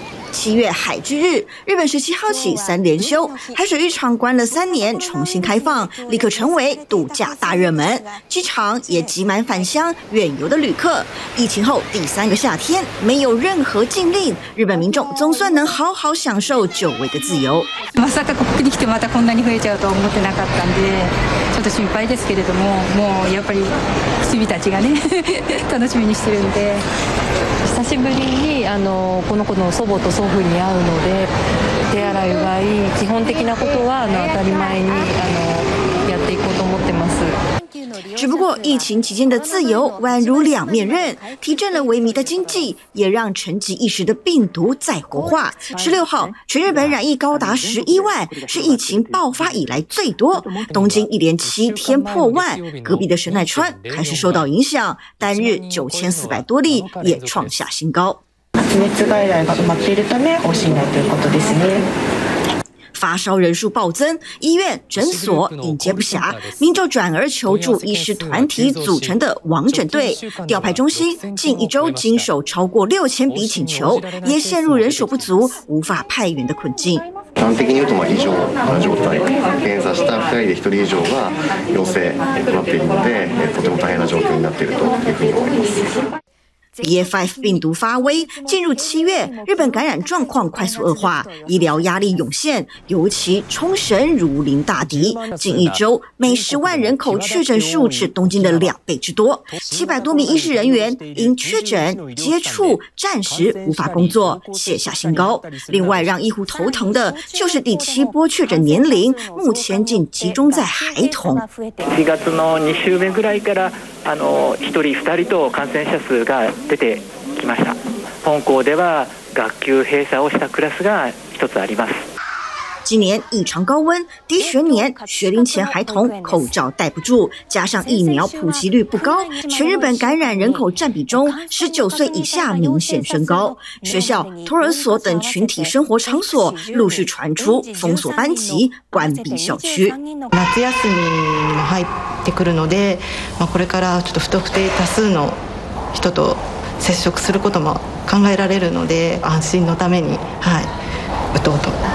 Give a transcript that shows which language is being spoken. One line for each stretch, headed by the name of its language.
Chinese: 七月海之日，日本17号起三连休，海水浴场关了3年，重新开放，立刻成为度假大热门。机场也挤满返乡远游的旅客。疫情后第三个夏天，没有任何禁令，日本民众总算能好好享受久违的自由。
Japanese: まさかここに来てまたこんなに増えちゃうと思ってなかったんで、ちょっと心配ですけれども、もうやっぱり君たちがね、楽しみにしてるんで。久しぶりにこの子の祖母と祖父に会うので、手洗いがいい基本的なことは当たり前にやっていこうと思ってます。
Chinese: 只不过疫情期间的自由宛如两面刃，提振了萎靡的经济，也让沉寂一时的病毒再活化。 16号，全日本染疫高达11万，是疫情爆发以来最多。东京一连7天破万，隔壁的神奈川开始受到影响，单日9400多例也创下新高。
Japanese: 発熱外来が埋まっているため往診ないということですね。
Chinese: 发烧人数暴增，医院诊所应接不暇，民众转而求助医师团体组成的网诊队。调派中心近一周经手超过6000笔请求，也陷入人手不足、无法派员的困境。
Japanese: 端的に言うと異常な状態、検査した2人で1人以上が陽性となっているので、とても大変な状況になっているというふうに思います。
Chinese: BA.5 病毒发威，进入7月，日本感染状况快速恶化，医疗压力涌现，尤其冲绳如临大敌。近一周，每10万人口确诊数是东京的2倍之多，700多名医师人员因确诊接触暂时无法工作，写下新高。另外，让医护头疼的就是第七波确诊年龄，目前竟集中在孩童。
Japanese: 4月の2週目ぐらいから、1人2人と感染者数が出てきました。本校では学級閉鎖をしたクラスが一つあります。
Chinese: 今年异常高温，低学年、学龄前孩童口罩戴不住，加上疫苗普及率不高，全日本感染人口占比中19岁以下明显升高。学校、托儿所等群体生活场所陆续传出封锁班级、关闭校区。
Japanese: 夏休みも入ってくるので、これからちょっと不特定多数の人と接触することも考えられるので、安心のために、はい、打とうと。